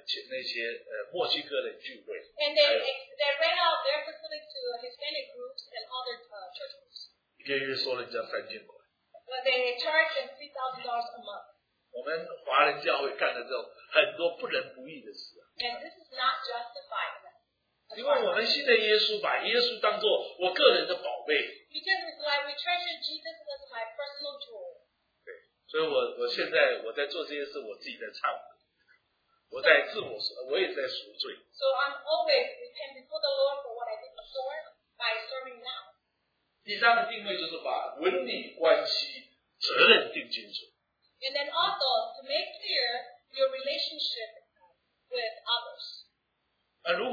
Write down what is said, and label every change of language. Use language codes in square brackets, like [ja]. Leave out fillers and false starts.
[zh] 然后现在开始租给那些墨西哥人聚会。 [en] And they ran out their facility to Hispanic groups and other church groups. [zh] 一个月收人家3000块。 [en] But they charge them $3,000 a month. And this is not justified. Because it's like we treasure Jesus as my personal jewel. So I'm always repenting before the Lord for what I did before by serving now. [zh] 第三个定位就是把伦理关系 责任定清楚。 [en] And then also to make clear your relationship with others.